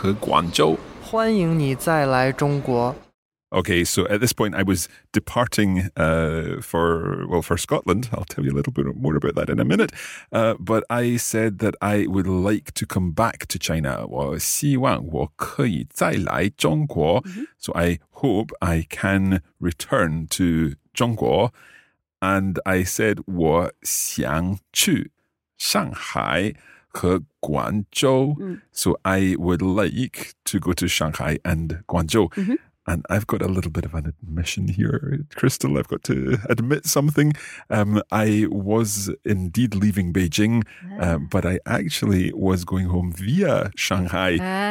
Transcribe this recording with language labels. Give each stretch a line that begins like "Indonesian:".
Chinese: 我希望我可以再来中国。我想去上海和广州。欢迎你再来中国。
English: Okay, so at this point I was departing for Scotland. I'll tell you a little bit more about that in a minute. But I said that I would like to come back to China.
Chinese: 我希望我可以再来中国. Mm-hmm.
English: So I hope I can return to 中国. And I said
Chinese: 我想去上海和广州. Mm.
English: So I would like to go to Shanghai and Guangzhou. Mm-hmm. And I've got a little bit of an admission here, Crystal. I've got to admit something. I was indeed leaving Beijing, but I actually was going home via Shanghai.